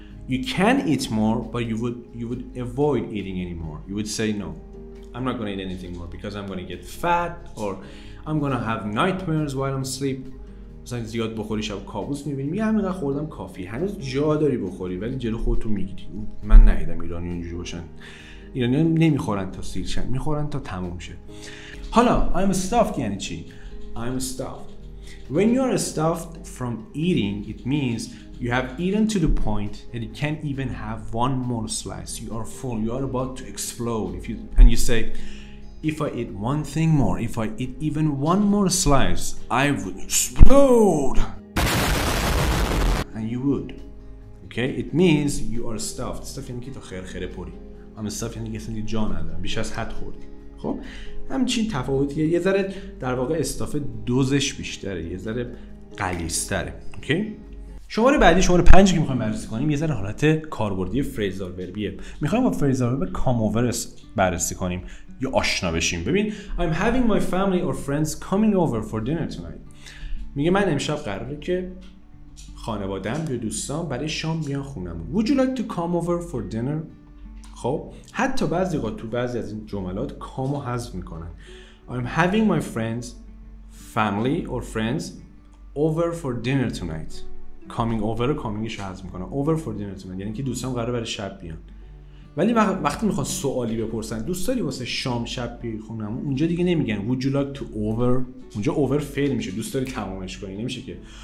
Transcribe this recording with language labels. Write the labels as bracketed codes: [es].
[en] You can eat more, but you would avoid eating anymore. You would say no. I'm not going to eat anything more because I'm going to get fat or I'm going to have nightmares while I'm asleep. [fa] مثلا زیاد بخوری شب کابوس می‌بینی. یه همینقدر خوردم کافی. هنوز جا داری بخوری ولی جلو خودتو می‌گیری. من ندیدم ایرانی اونجوری باشن. ایرانی ها نمی‌خورن تا سیر شن. می‌خورن تا تموم شه. حالا [en] I'm stuffed [fa] یعنی چی؟ I'm stuffed. [en] When you're stuffed from eating, it means you have eaten to the point that you can't even have one more slice. You are full. You are about to explode. If you and you say, if I eat one thing more, if I eat even one more slice, I would explode. And you would. Okay? It means you are stuffed. [fa] Stuffed یعنی که تو خیر خیره پوری. [en] I'm stuffed [fa] یعنی که اصلا جا ندارم. بیش از حد خوردی. خب؟ همچین تفاوتیه. یه ذره در واقع استافه دوزش بیشتره. یه ذره قلیستره. Okay؟ شماره بعدی شماره 5 که می‌خوایم بررسی کنیم یه ذره حالت کاربردی فریزال وربیه. می‌خوایم با فریزال ورب کام اوور بررسی کنیم یا آشنا بشیم. ببین [en] I'm having my family or friends coming over for dinner tonight. [fa] میگه من امشب قراره که خانواده‌ام یا دوستان برای شام بیان خونمون. [en] Would you like to come over for dinner? [fa] خب حتی بعضی وقت تو بعضی از این جملات کامو حذف می‌کنن. [en] I'm having my friends family or friends over for dinner tonight. coming over [fa] کامینگش رو حذف میکنه [en] over for dinner [fa] تو من یعنی که دوستان قراره برای شب بیان ولی وقتی میخوان سوالی بپرسن دوست داری واسه شام شب بیای خونم اونجا دیگه نمیگن [en] would you like to over [fa] اونجا over فعل میشه دوست داری تمامش کنی نمیشه که